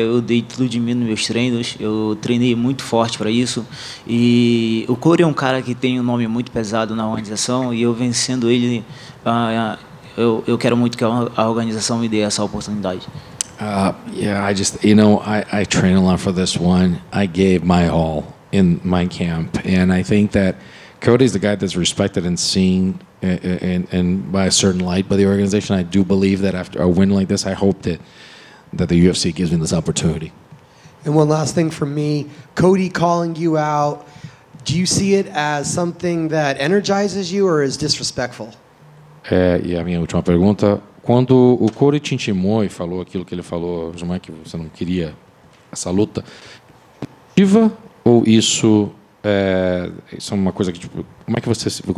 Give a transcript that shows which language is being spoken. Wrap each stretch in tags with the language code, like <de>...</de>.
<pt>Eu dei tudo de mim nos meus treinos. Eu treinei muito forte para isso. E o Corey é um cara que tem um nome muito pesado na organização, e eu vencendo ele... Eu quero muito que a organização me dê essa oportunidade.</pt> <en>I train a lot for this one. I gave my all in my camp, and I think that Cody's the guy that's respected and seen and by a certain light by the organization. I do believe that after a win like this, I hope that the UFC gives me this opportunity. And one last thing for me, Cody calling you out. Do you see it as something that energizes you or is disrespectful?</en> <pt>E a minha última pergunta, quando o Corey te intimou e falou aquilo que ele falou, como é que você não queria essa luta, ativa ou isso é uma coisa que, tipo, como é que você...</pt>